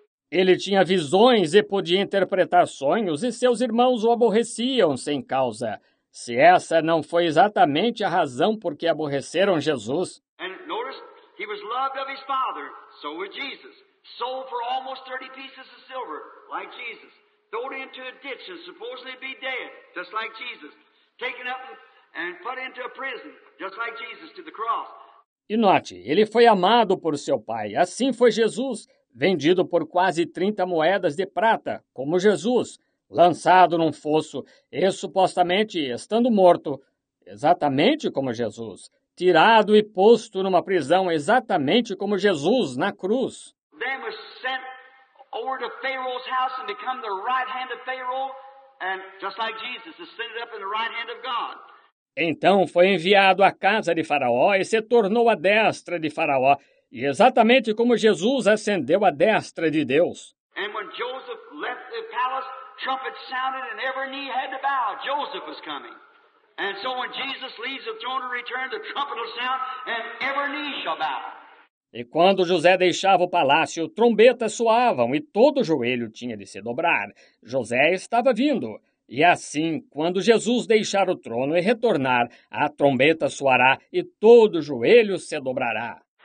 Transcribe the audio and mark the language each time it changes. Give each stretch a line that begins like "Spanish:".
Portuguese: Ele tinha visões e podia interpretar sonhos e seus irmãos o aborreciam sem causa. Se essa não foi exatamente a razão por que aborreceram Jesus.
English: E notice, he was loved of his father, so was Jesus. Sold for almost 30 pieces of silver, like Jesus. Thrown into a ditch and supposedly be dead, just like Jesus. Taken up and put into a prison, just like Jesus, to the cross.
Portuguese: E note, ele foi amado por seu pai, assim foi Jesus, vendido por quase 30 moedas de prata, como Jesus, lançado num fosso e supostamente estando morto, exatamente como Jesus, tirado e posto numa prisão, exatamente como Jesus, na cruz.
English: Then was sent over to Pharaoh's house and become the right hand of Pharaoh And just like Jesus ascended up in the right hand of God.
Portuguese: Então foi enviado à casa de Faraó e se tornou à destra de Faraó, e exatamente como Jesus ascendeu à destra de Deus.
English: And when Joseph left the palace, trumpets sounded and every knee had to bow. Joseph was coming. And so when Jesus leaves the throne and returns, the trumpet will sound and every knee shall bow.
Portuguese: E quando José deixava o palácio, trombetas soavam e todo o joelho tinha de se dobrar. José estava vindo. E assim, quando Jesus deixar o trono e retornar, a trombeta soará e todo o joelho se dobrará.